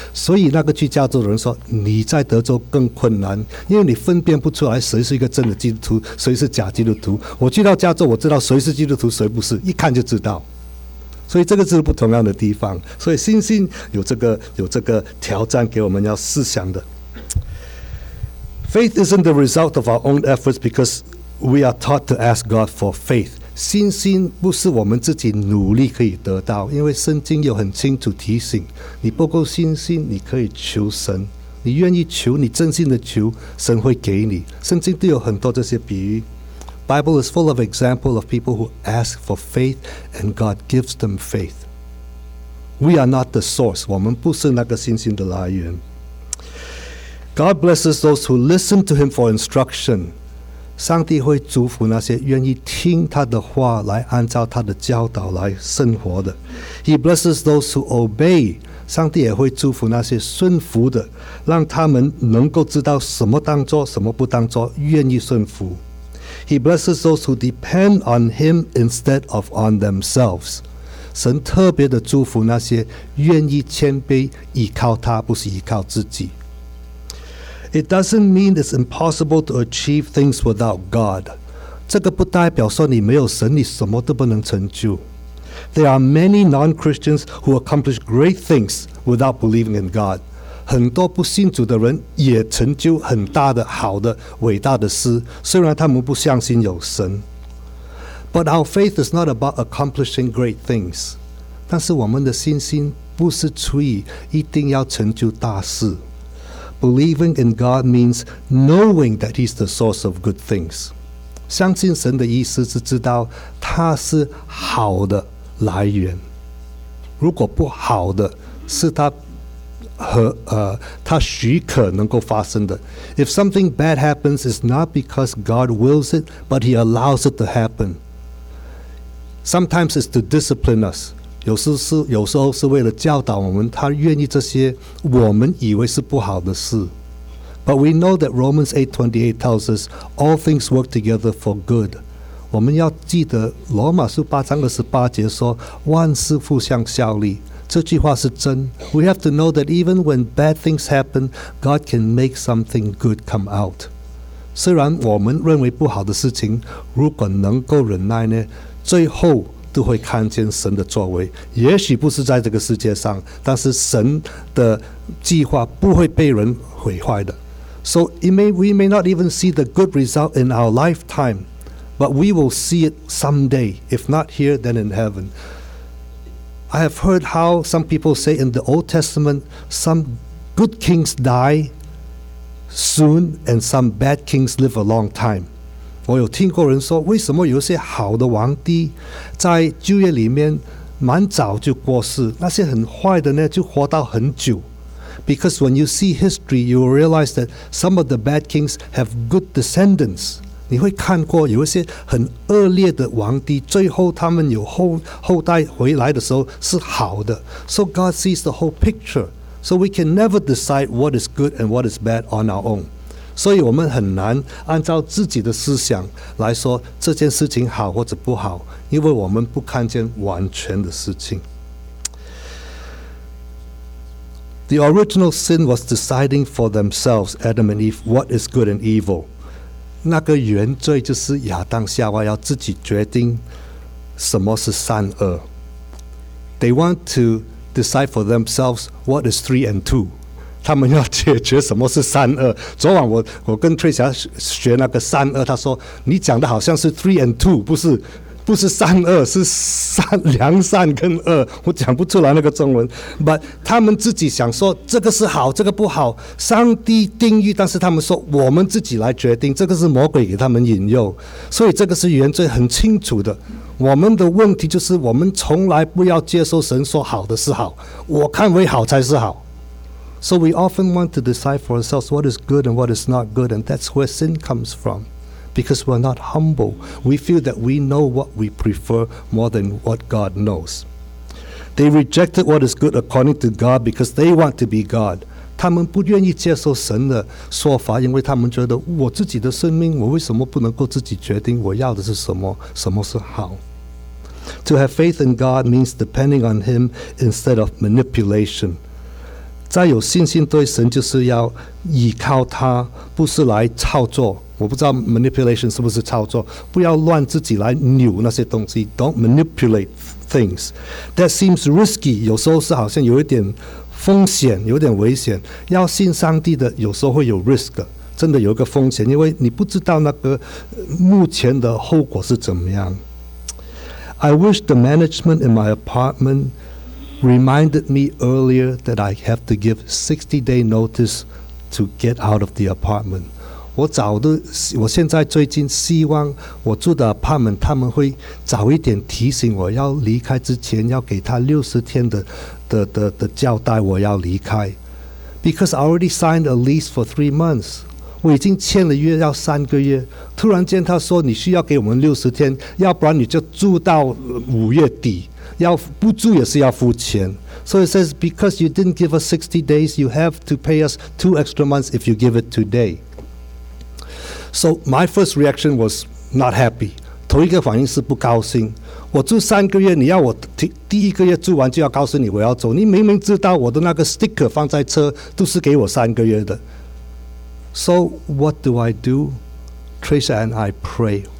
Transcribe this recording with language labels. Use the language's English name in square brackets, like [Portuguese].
[Chinese] 所以那个去加州的人说，你在德州更困难，因为你分辨不出来谁是一个真的基督徒，谁是假基督徒。我去到加州，我知道谁是基督徒谁不是，一看就知道。所以这个是不同样的地方，所以信心有这个挑战给我们要思想的。 [English] Faith isn't the result of our own efforts because we are taught to ask God for faith。 [Chinese] 信心不是我们自己努力可以得到，因为圣经有很清楚提醒，你不够信心你可以求神，你愿意求，你真心的求，神会给你。圣经都有很多这些比喻， [English] Bible is full of example of people who ask for faith and God gives them faith. We are not the source， [Chinese] 我们不是那个信心的来源。 [English] God blesses those who listen to him for instruction， [Chinese] 上帝会祝福那些愿意听他的话来按照他的教导来生活的。 [English] He blesses those who obey， [Chinese] 上帝也会祝福那些顺服的，让他们能够知道什么当作什么不当作，愿意顺服。 [English] He blesses those who depend on him instead of on themselves， [Chinese] 神特别的祝福那些愿意谦卑依靠他，不是依靠自己。 [English] It doesn't mean it's impossible to achieve things without God. [Chinese] 这个不代表说你没有神你什么都不能成就。 [English] There are many non-Christians who accomplish great things without believing in God. [Chinese] 很多不信主的人也成就很大的好的伟大的事，虽然他们不相信有神。 [English] But our faith is not about accomplishing great things. [Chinese] 但是我们的信心不是出于一定要成就大事。 [English] Believing in God means knowing that he's the source of good things. [Chinese] 相信神的意思是知道他是好的来源。如果不好的是他和他许可能够发生的。 [English] If something bad happens, it's not because God wills it, but he allows it to happen. Sometimes it's to discipline us. [Chinese] 有时候是为了教导我们，他愿意这些我们以为是不好的事。 [English] But we know that Romans 8:28 tells us all things work together for good. [Chinese] 我们要记得罗马书八章二十八节说万事互相效力，这句话是真。 [English] We have to know that even when bad things happen, God can make something good come out. [Chinese] 虽然我们认为不好的事情如果能够忍耐呢，最后都会看见神的作为，也许不是在这个世界上，但是神的计划不会被人毁坏的。 [English] So we may not even see the good result in our lifetime, but we will see it someday, if not here, then in heaven. I have heard how some people say in the Old Testament, some good kings die soon and some bad kings live a long time. [Chinese] 我有听过人说，为什么有些好的王帝在旧约里面蛮早就过世，那些很坏的呢就活到很久。 [English] Because when you see history, you will realize that some of the bad kings have good descendants. [Chinese] 你会看过有一些很恶劣的王帝，最后他们有 后代回来的时候是好的。 [English] So God sees the whole picture. So we can never decide what is good and what is bad on our own. [Chinese] 所以我们很难按照自己的思想来说这件事情好或者不好，因为我们不看见完全的事情。 [English] The original sin was deciding for themselves, Adam and Eve, what is good and evil. [Chinese] 那个原罪就是亚当夏娃要自己决定什么是善恶。 [English] They want to decide for themselves what is three and two. [Chinese] 他们要解决什么是善恶。昨晚 我跟崔霞学那个善恶，他说你讲的好像是 [English] three and two， [Chinese] 不是不是善恶，是善良善跟恶，我讲不出来那个中文。 But 他们自己想说这个是好，这个不好，上帝定义，但是他们说我们自己来决定，这个是魔鬼给他们引诱，所以这个是原罪很清楚的。我们的问题就是我们从来不要接受神说好的是好，我看为好才是好。 [English] So we often want to decide for ourselves what is good and what is not good, and that's where sin comes from. Because we're not humble. We feel that we know what we prefer more than what God knows. They rejected what is good according to God because they want to be God. [Chinese] 他们不愿意接受神的说法，因为他们觉得我自己的生命，我为什么不能够自己决定我要的是什么，什么是好。 [English] To have faith in God means depending on Him instead of manipulation. [Chinese] 再有信心对神就是要依靠他，不是来操作。我不知道 manipulation 是不是操作，不要乱自己来扭那些东西。 [English] Don't manipulate things. That seems risky. [Chinese] 有时候是好像有一点风险，有点危险。要信上帝的有时候会有 risk 的，真的有一个风险，因为你不知道那个目前的后果是怎么样。 [English] I wish the management in my apartmentReminded me earlier that I have to give 60-day notice to get out of the apartment. [Chinese] 我现在最近希望我住的 apartment 他们会早一点提醒我要离开之前要给他60天的交代我要离开。 [English] Because I already signed a lease for 3 months. [Chinese] 我已经签了约要3个月。突然间他说你需要给我们60天，要不然你就住到5月底。要不住也是要付钱。 [English] So it says because you didn't give us 60 days you have to pay us 2 extra months if you give it today. So my first reaction was not happy. [Chinese] 头一个反应是不高兴，我住3个月，你要我第一个月住完就要告诉你我要走，你明明知道我的那个 sticker 放在车都是给我3个月的。 [English] So what do I do? Tracia and I pray.